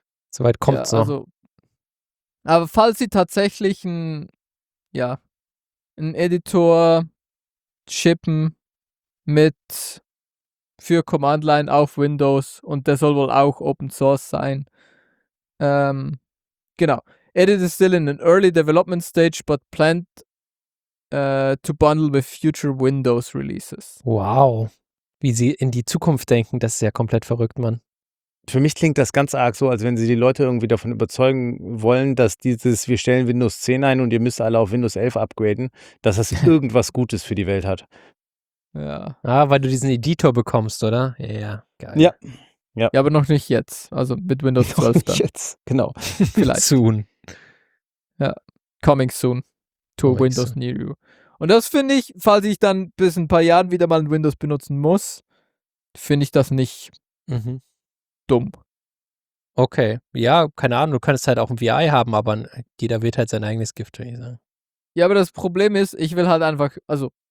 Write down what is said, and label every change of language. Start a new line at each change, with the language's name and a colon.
German: Soweit kommt es ja, noch. Also, aber falls sie tatsächlich einen Editor shippen mit für Command Line auf Windows und der soll wohl auch Open Source sein. Genau.
English: Edit is still in an early development stage, but planned to bundle with future Windows releases. Wow.
German: Wie sie in die Zukunft denken, das ist ja komplett verrückt, Mann. Für mich klingt das ganz arg so, als wenn sie die Leute irgendwie davon überzeugen wollen, dass dieses, wir stellen Windows 10 ein und ihr müsst alle auf Windows 11 upgraden, dass das irgendwas Gutes für die Welt hat. Ja. Ah, weil du diesen Editor bekommst, oder? Ja, yeah, geil. Ja. Ja. Ja, aber noch nicht jetzt. Also mit Windows 12 noch dann. Nicht jetzt, genau. Vielleicht.
English: Soon. Ja, coming soon to coming Windows soon. Near you.
German: Und das finde ich, falls ich dann bis ein paar Jahren wieder mal ein Windows benutzen muss, finde ich das nicht dumm. Okay, ja, keine Ahnung, du könntest halt auch ein VI haben, aber jeder wird halt sein eigenes Gift, würde ich sagen. Ja, aber das Problem ist, ich will halt einfach, also...